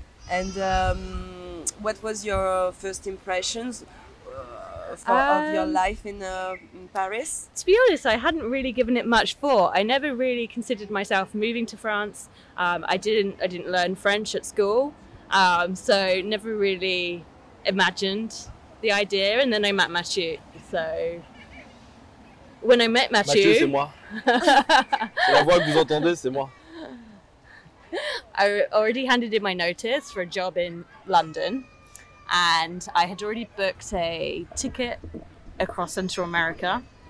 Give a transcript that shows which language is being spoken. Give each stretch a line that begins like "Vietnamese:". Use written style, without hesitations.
English: And what was your first impressions of your life in Paris? To be honest, I hadn't really given it much thought. I never really considered myself moving to France. I didn't learn French at school, so never really imagined the idea. And then I met Mathieu. So when I met Mathieu,
French: Mathieu, c'est moi. La voix que vous entendez, c'est moi.
English: I already handed in my notice for a job in London, and I had already booked a ticket across Central America.